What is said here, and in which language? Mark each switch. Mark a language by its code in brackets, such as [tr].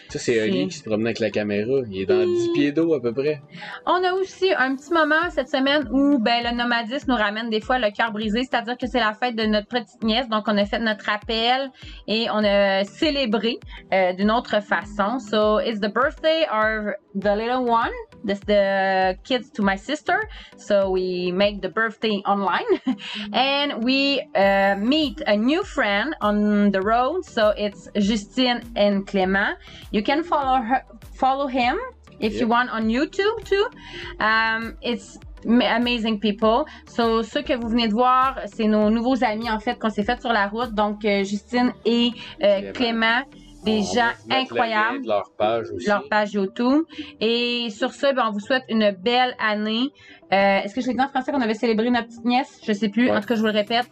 [fr] Ça, c'est Ali qui se promenait avec la caméra. Il est dans 10 pieds d'eau à peu près. On a aussi un petit moment cette semaine où le nomadisme nous ramène des fois le cœur brisé. C'est-à-dire que c'est la fête de notre petite nièce. Donc, on a fait notre appel et on a célébré d'une autre façon. [en] So, it's the birthday of the little one. This the kids to my sister. So, we make the birthday online. And we meet a new friend on the road. So, it's Justine and Clément. You can follow him if you want on YouTube too. It's amazing people. [fr] So, ceux que vous venez de voir, c'est nos nouveaux amis en fait qu'on s'est fait sur la route. Donc, Justine et Clément. Des gens incroyables. Leur page aussi. Leur page YouTube. Et sur ce, on vous souhaite une belle année. Est-ce que je l'ai dit en français qu'on avait célébré notre petite nièce? Je sais plus. Ouais. En tout cas, je vous le répète.